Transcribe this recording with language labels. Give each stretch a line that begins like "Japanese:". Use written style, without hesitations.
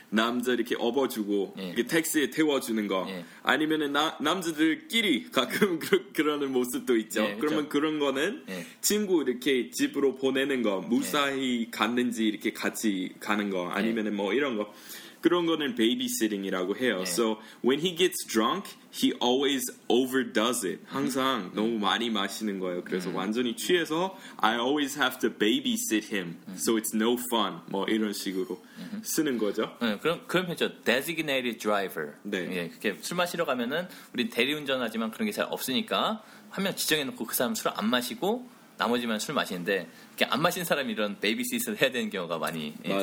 Korean: 남자 이렇게 업어주고 예. 이렇게 택시에 태워주는 거 예. 아니면은 남자들끼리 가끔 그러는 모습도 있죠. 예, 그러면 그런 거는 예. 친구 이렇게 집으로 보내는 거 무사히 예. 갔는지 이렇게 같이 가는 거 아니면은 예. 뭐 이런 거 그런 거는 babysitting이라고 해요. 네.
English: So when he gets drunk, he always overdoes it.
Korean: 항상 너무 많이 마시는 거예요. 그래서 완전히 취해서
English: I always have to babysit him. So it's no fun.
Korean: 뭐 이런 식으로 쓰는 거죠. 네, 그런 표현 designated driver. 네. 예, 그렇게 술 마시러 가면은 우리 대리운전하지만 그런 게 잘 없으니까 한 명 지정해놓고 그 사람 술을 안 마시고 나머지만 술 마시는데 이렇게 안 마신 사람이 이런 babysit을 해야 되는 경우가 많이 맞아요.